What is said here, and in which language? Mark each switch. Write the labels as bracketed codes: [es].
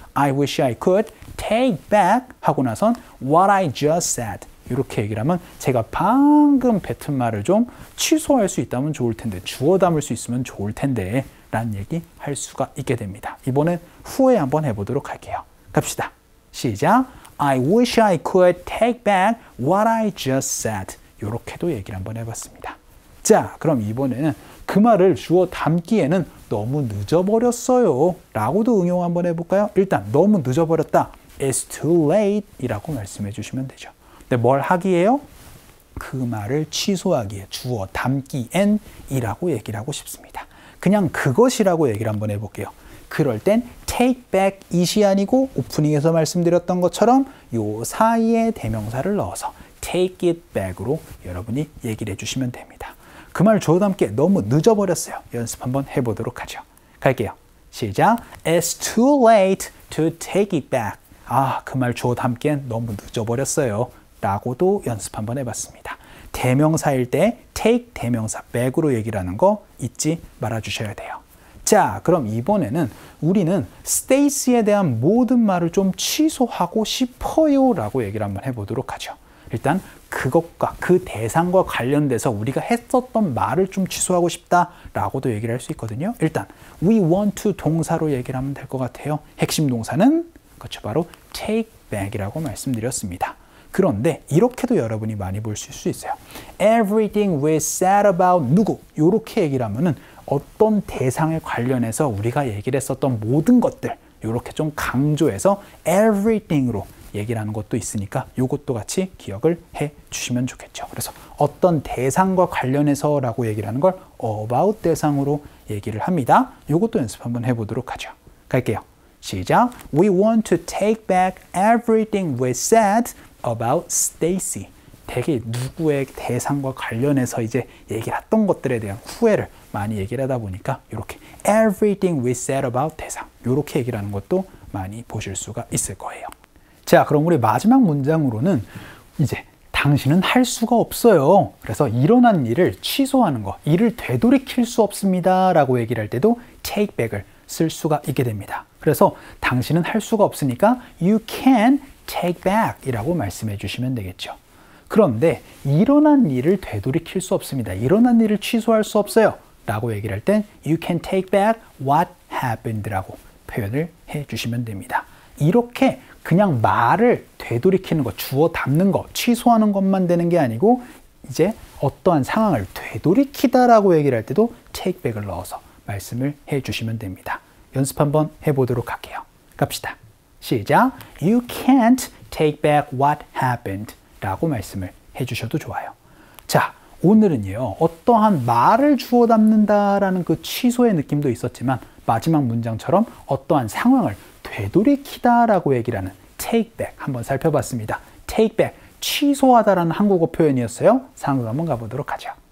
[ko] I wish I could take back 하고 나선 what I just said 이렇게 얘기를 하면 제가 방금 뱉은 말을 좀 취소할 수 있다면 좋을 텐데, 주워 담을 수 있으면 좋을 텐데 라는 얘기 할 수가 있게 됩니다. 이번엔 후회 한번 해보도록 할게요. 갑시다. 시작. [en] I wish I could take back what I just said. [ko] 이렇게도 얘기를 한번 해봤습니다. 자, 그럼 이번에는 그 말을 주워 담기에는 너무 늦어버렸어요 라고도 응용 한번 해볼까요? 일단 너무 늦어버렸다, It's too late 이라고 말씀해 주시면 되죠. 근데 뭘 하기에요? 그 말을 취소하기에, 주어 담기엔 이라고 얘기를 하고 싶습니다. 그냥 그것이라고 얘기를 한번 해볼게요. 그럴 땐 take back it 이 아니고 오프닝에서 말씀드렸던 것처럼 요 사이에 대명사를 넣어서 take it back 으로 여러분이 얘기를 해주시면 됩니다. 그 말 주어 담기에 너무 늦어버렸어요. 연습 한번 해보도록 하죠. 갈게요. 시작. [en] It's too late to take it back. [ko] 아, 그 말 주어 담기엔 너무 늦어버렸어요 라고도 연습 한번 해봤습니다. 대명사일 때 take 대명사 back으로 얘기를 하는 거 잊지 말아주셔야 돼요. 자, 그럼 이번에는 우리는 Stacy에 대한 모든 말을 좀 취소하고 싶어요 라고 얘기를 한번 해보도록 하죠. 일단 그것과 그 대상과 관련돼서 우리가 했었던 말을 좀 취소하고 싶다 라고도 얘기를 할 수 있거든요. 일단 we want to 동사로 얘기를 하면 될 것 같아요. 핵심 동사는 그렇죠, 바로 take back이라고 말씀드렸습니다. 그런데 이렇게도 여러분이 많이 볼 수 있어요. Everything we said about 누구, 이렇게 얘기를 하면은 어떤 대상에 관련해서 우리가 얘기를 했었던 모든 것들, 이렇게 좀 강조해서 everything으로 얘기를 하는 것도 있으니까 이것도 같이 기억을 해 주시면 좋겠죠. 그래서 어떤 대상과 관련해서 라고 얘기를 하는 걸 about 대상으로 얘기를 합니다. 이것도 연습 한번 해보도록 하죠. 갈게요. 시작. [en] We want to take back everything we said about Stacy. [ko] 되게 누구의 대상과 관련해서 이제 얘기를 했던 것들에 대한 후회를 많이 얘기를 하다 보니까 이렇게 everything we said about 대상 이렇게 얘기를 하는 것도 많이 보실 수가 있을 거예요. 자, 그럼 우리 마지막 문장으로는 이제 당신은 할 수가 없어요. 그래서 일어난 일을 취소하는 거, 일을 되돌이킬 수 없습니다 라고 얘기를 할 때도 take back을 쓸 수가 있게 됩니다. 그래서 당신은 할 수가 없으니까 you can take back 이라고 말씀해 주시면 되겠죠. 그런데 일어난 일을 되돌이킬 수 없습니다. 일어난 일을 취소할 수 없어요 라고 얘기를 할 땐 you can take back what happened 라고 표현을 해 주시면 됩니다. 이렇게 그냥 말을 되돌이키는 거, 주어 담는 거, 취소하는 것만 되는 게 아니고 이제 어떠한 상황을 되돌이키다 라고 얘기를 할 때도 take back을 넣어서 말씀을 해 주시면 됩니다. 연습 한번 해 보도록 할게요. 갑시다. 시작. [en] You can't take back what happened 라고 말씀을 해 주셔도 좋아요. [ko] 자, 오늘은요 어떠한 말을 주어 담는다라는 그 취소의 느낌도 있었지만 마지막 문장처럼 어떠한 상황을 되돌이키다 라고 얘기를 하는 take back 한번 살펴봤습니다. take back, 취소하다라는 한국어 표현이었어요. 상황 한번 가보도록 하죠.